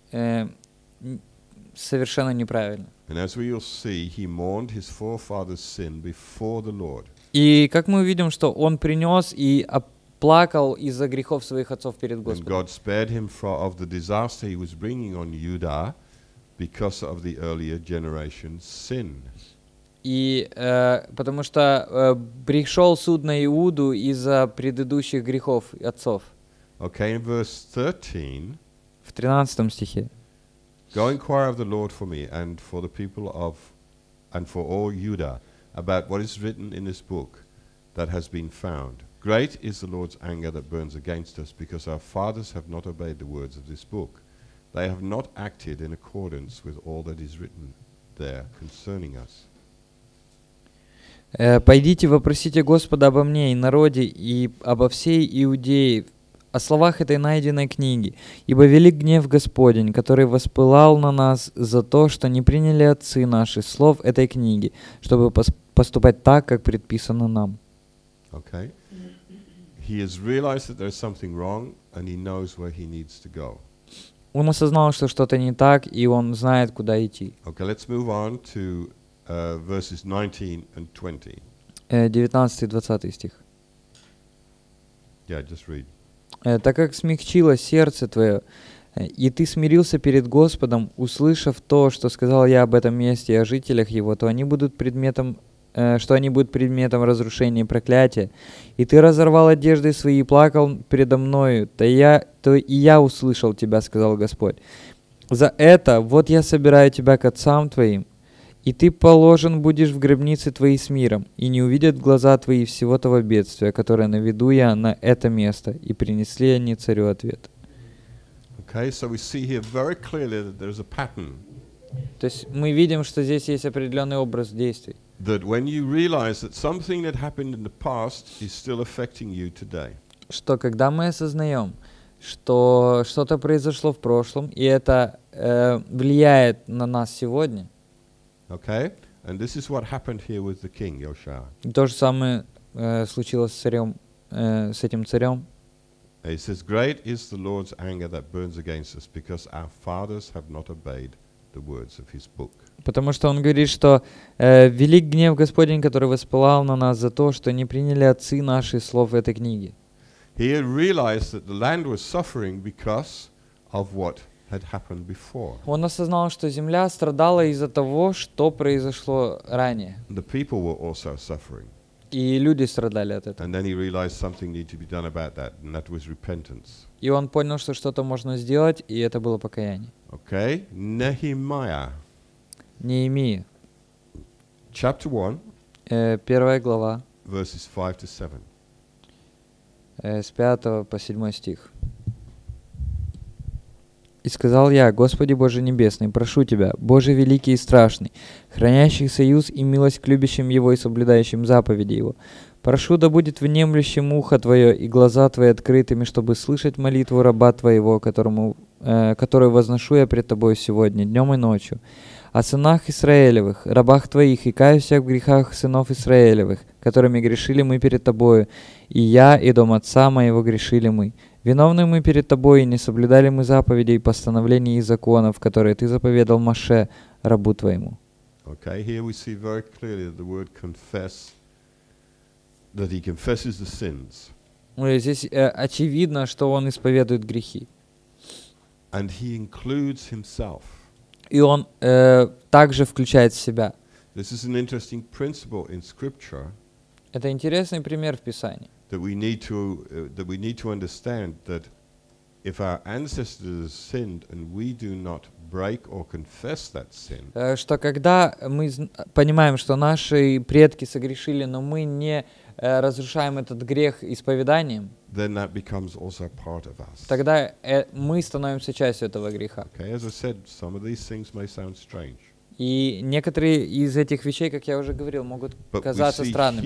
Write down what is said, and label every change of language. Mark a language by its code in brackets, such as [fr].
[ru] совершенно неправильно. [en] And as we will see, he mourned his forefather's sin before the Lord. [ru] И как мы увидим, что он принес и оплакал из-за грехов своих отцов перед Господом. [en] And God spared him of the disaster he was bringing on Judah because of the earlier generation's sin. [ru] И потому что пришел суд на Иуду из-за предыдущих грехов отцов. [en] Okay, in verse 13. [ru] В 13 стихе. [en] Go inquire of the Lord for me and for the people of and for all Judah about what is written in this book that has been found. Great is the Lord's anger that burns against us because our fathers have not obeyed the words of this book. They have not acted in accordance with all that is written there concerning us. [ru] Пойдите, вопросите Господа обо мне и народе, и обо всей Иудее, о словах этой найденной книги. Ибо велик гнев Господень, который воспылал на нас за то, что не приняли отцы наши слов этой книги, чтобы поступать так, как предписано нам. [en] Okay. He has realized that there's something wrong, and he knows where he needs to go. [ru] Он осознал, что что-то не так, и он знает, куда идти. [en] Okay, let's move on to verses 19 and 20. [ru] 19-20 стих. [en] Yeah, just read. [ru] Так как смягчилось сердце твое, и ты смирился перед Господом, услышав то, что сказал я об этом месте и о жителях его, то они будут предметом, что они будут предметом разрушения и проклятия. И ты разорвал одежды свои и плакал предо мною, то и я услышал тебя, сказал Господь. За это вот я собираю тебя к отцам твоим, и ты положен будешь в гробнице твоей с миром, и не увидят глаза твои всего того бедствия, которое наведу я на это место. И принесли они царю ответ. [en] Okay, so we see here very clearly that there's a pattern. [ru] То есть мы видим, что здесь есть определенный образ действий. [en] That when you realize that something that happened in the past is still affecting you today. [ru] Что когда мы осознаем, что что-то произошло в прошлом, и это влияет на нас сегодня. [en] Okay, and this is what happened here with the king Yosha. [ru] То же самое случилось с царем, с этим царем. [en] He says, "Great is the Lord's anger that burns against us, because our fathers have not obeyed the words of His book." [ru] Потому что он говорит, что велик гнев Господень, который воспылал на нас за то, что не приняли отцы наши слов этой книги. [en] He had realized that the land was suffering because of what had happened before. [ru] Он осознал, что земля страдала из-за того, что произошло ранее. [en] The people were also suffering. [ru] И люди страдали от этого. [en] And then he realized something needed to be done about that, and that was repentance. [ru] И он понял, что что-то можно сделать, и это было покаяние. [en] Okay, Nehemiah. [ru] Неемия. [en] Chapter 1. [ru] Первая глава. [en] Verses 5 to 7. [ru] С 5 по 7 стих. И сказал я: Господи Боже Небесный, прошу Тебя, Боже Великий и Страшный, хранящий союз и милость к любящим Его и соблюдающим заповеди Его, прошу, да будет внемлющим ухо Твое и глаза Твои открытыми, чтобы слышать молитву раба Твоего, которую возношу я пред Тобой сегодня, днем и ночью, о сынах Израилевых, рабах Твоих, и каюсь я в грехах сынов Израилевых, которыми грешили мы перед Тобою, и я, и дом отца моего грешили мы. Виновны мы перед Тобой, и не соблюдали мы заповедей, постановлений и законов, которые Ты заповедал Моше, рабу Твоему. [en] Okay, here we see very clearly that the word confess, that he confesses the sins. [ru] Здесь очевидно, что он исповедует грехи. [en] And he includes himself. [ru] И он также включает себя. [en] This is an interesting principle in Scripture. [ru] Это интересный пример в Писании. [en] That we need to understand that if our ancestors sinned and we do not break or confess that sin, [ru] что когда мы понимаем, что наши предки согрешили, но мы не разрушаем этот грех исповеданием, [en] then that becomes also part of us. [ru] Тогда мы становимся частью этого греха. [en] Okay, as I said, some of these things may sound strange. [ru] И некоторые из этих вещей, как я уже говорил, могут казаться странными.